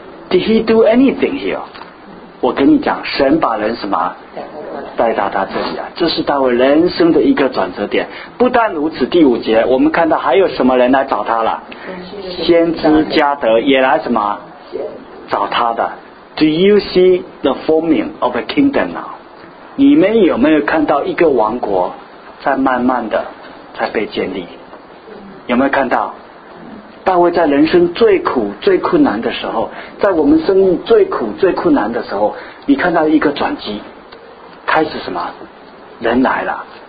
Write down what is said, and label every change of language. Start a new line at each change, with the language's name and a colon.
English: Did he do anything here?
Chinese: 我跟你讲，神把人什么带到他这里啊，这是大卫人生的一个转折点。不但如此，第五节我们看到还有什么人来找他了？先知加德也来什么找他的。
English: Do you see the forming of a kingdom now?
Chinese: 你们有没有看到一个王国在慢慢的在被建立？有没有看到大卫在人生最苦最困难的时候，在我们生命最苦最困难的时候，你看到一个转机，开始什么人来了？